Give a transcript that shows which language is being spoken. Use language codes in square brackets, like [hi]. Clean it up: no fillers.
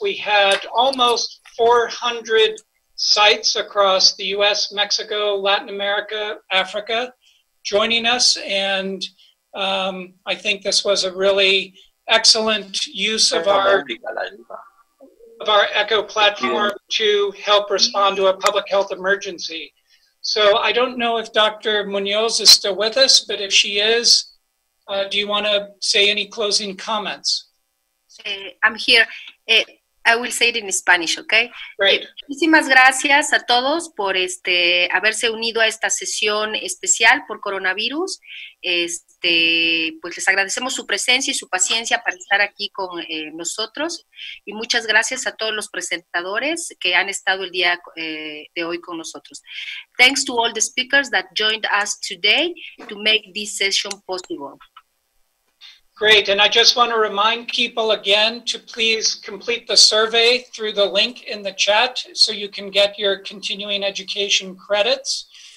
[en] We had almost 400 sites across the U.S., Mexico, Latin America, Africa joining us, and I think this was a really excellent use of our ECHO platform to help respond to a public health emergency. So I don't know if Dr. Munoz is still with us, but if she is, do you want to say any closing comments? I'm here. I will say it in Spanish, okay? Great. [es] Muchísimas gracias a todos por haberse unido a esta sesión especial por coronavirus. Pues les agradecemos su presencia y su paciencia para estar aquí con nosotros. Y muchas gracias a todos los presentadores que han estado el día de hoy con nosotros. [en] Thanks to all the speakers that joined us today to make this session possible. Great, and I just want to remind people again to please complete the survey through the link in the chat so you can get your continuing education credits.